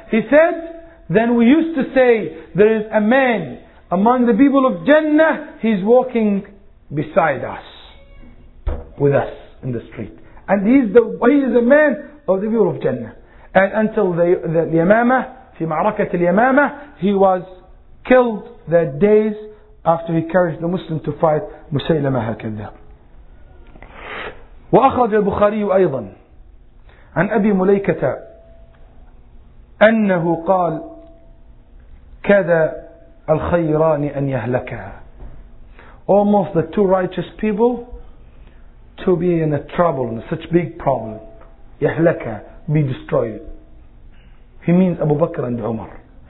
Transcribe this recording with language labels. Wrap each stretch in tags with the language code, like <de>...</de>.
<en>He said, then we used to say, there is a man among the people of Jannah, he's walking beside us, with us in the street. And he is a man of the people of Jannah. And until the Yamamah,</en> <ar>في معركة اليمامة,</ar> <en>he was killed that days after he encouraged the Muslim to fight Musaylamah hakadha.</en> <ar>وأخرج البخاري أيضا عن أبي مليكة أنه قال كذا الخيران أن يهلكا.</ar> <en>Almost the two righteous people to be in a trouble, in a such big problem. يهلكا, be destroyed. He means Abu Bakr and Umar.</en>